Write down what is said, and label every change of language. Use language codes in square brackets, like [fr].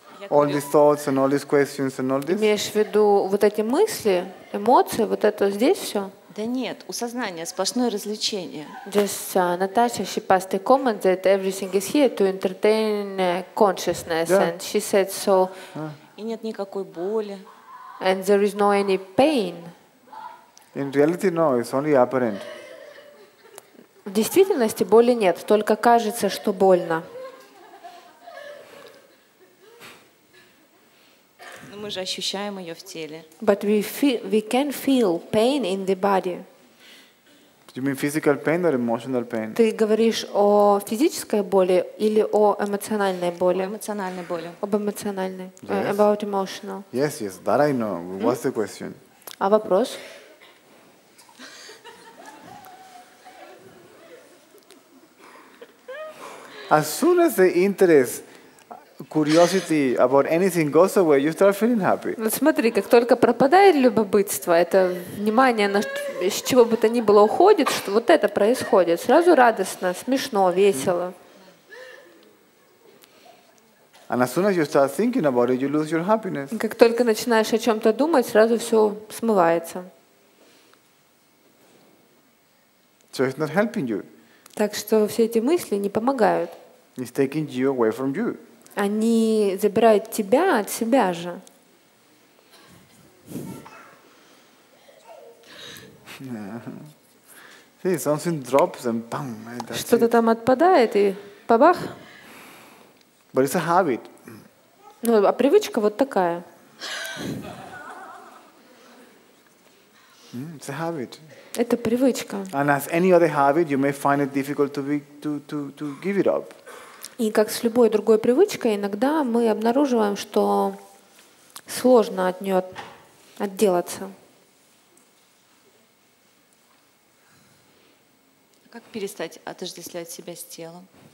[en] All these thoughts and all these questions and all this? [ru] Имеешь в виду вот эти мысли, эмоции, вот это здесь все? Да нет, у сознания сплошное развлечение. [en] Just Natasha, she passed the comment that everything is here to entertain consciousness, and she said so. [ru] И нет никакой боли. [en] And there is no any pain. In reality, no. It's only apparent. [ru] В действительности боли нет, только кажется, что больно. Мы же ощущаем ее в теле. [en] But we can feel pain in the body. You mean physical pain or emotional pain? [ru] Ты говоришь о физической боли или о эмоциональной боли? Эмоциональной боли. Об эмоциональной. [en] Yes. About emotional. Yes, yes, that I know. What's the question? [ru] А вопрос? [en] As soon as the interest curiosity about anything goes away, you start feeling happy. [ru] Смотри, как только пропадает любопытство, это внимание на с чего бы то ни было уходит, что вот это происходит, сразу радостно, смешно, весело. [en] And as soon as you start thinking about it, you lose your happiness. [ru] Как только начинаешь о чем-то думать, сразу все смывается. [en] So it's not helping you. [ru] Так что все эти мысли не помогают. [en] It's taking you away from you. [ru] Они забирают тебя от себя же. [en] See, something drops and bam, and that's [ru] что-то [en] it. [ru] Там отпадает и па-бах. [en] But it's a habit. [ru] Ну, а привычка вот такая. [en] It's a habit. [ru] Это привычка. [en] And as any other habit, you may find it difficult to give it up. [ru] И как с любой другой привычкой, иногда мы обнаруживаем, что сложно от нее отделаться. Как перестать отождествлять себя с телом?